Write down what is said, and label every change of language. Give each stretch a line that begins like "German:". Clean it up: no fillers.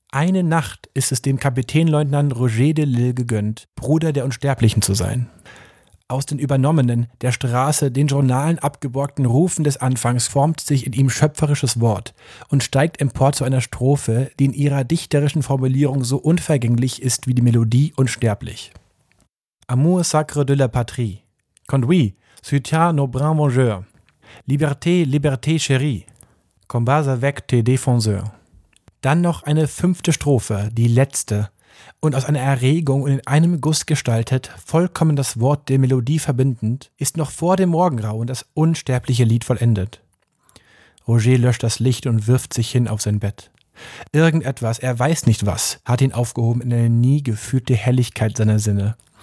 German: Eine Nacht ist es dem Kapitänleutnant Roger de Lille gegönnt, Bruder der Unsterblichen zu sein. Aus den übernommenen, der Straße, den Journalen abgeborgten Rufen des Anfangs formt sich in ihm schöpferisches Wort und steigt empor zu einer Strophe, die in ihrer dichterischen Formulierung so unvergänglich ist wie die Melodie unsterblich.
French: Amour sacre de la patrie. Conduit, soutiens nos brins vengeurs. Liberté, liberté chérie. Combats avec tes défenseurs.
German: Dann noch eine fünfte Strophe, die letzte. Und aus einer Erregung und in einem Guss gestaltet, vollkommen das Wort der Melodie verbindend, ist noch vor dem Morgengrauen das unsterbliche Lied vollendet. Roger löscht das Licht und wirft sich hin auf sein Bett. Irgendetwas, er weiß nicht was, hat ihn aufgehoben in eine nie gefühlte Helligkeit seiner Sinne.